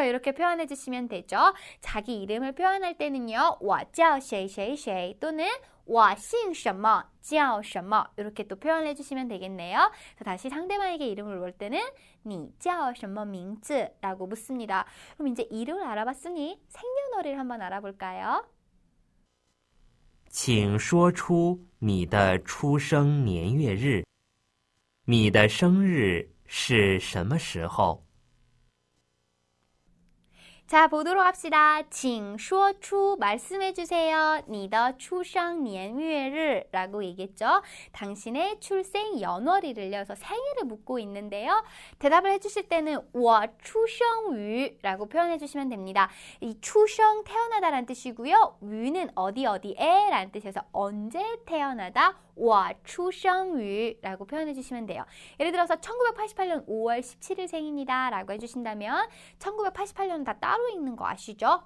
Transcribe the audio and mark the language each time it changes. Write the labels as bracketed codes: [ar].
[ko] 이렇게 표현해 주시면 되죠. 자기 이름을 표현할 때는요, 我叫谁谁谁 또는 我姓什么叫什么 이렇게 또 표현해 주시면 되겠네요. 다시 상대방에게 이름을 물을 때는 你叫什么名字? 라고 묻습니다. 그럼 이제 이름을 알아봤으니 생년월일 한번 알아볼까요? [zh] 请说出你的出生年月日，你的生日是什么时候？ [ko] 자, 보도록 합시다. 请说出 말씀해 주세요. 你的出生年月日 라고 얘기했죠. 당신의 출생 연월일을요. 그래서 생일을 묻고 있는데요. 대답을 해주실 때는 我出生于 라고 표현해 주시면 됩니다. 이 出生 태어나다란 뜻이고요. 于는 어디 어디에란 뜻이어서 언제 태어나다. 我出生于 라고 표현해 주시면 돼요. 예를 들어서 1988년 5월 17일 생입니다라고 해주신다면 1988년은 다 따로 있는 거 아시죠?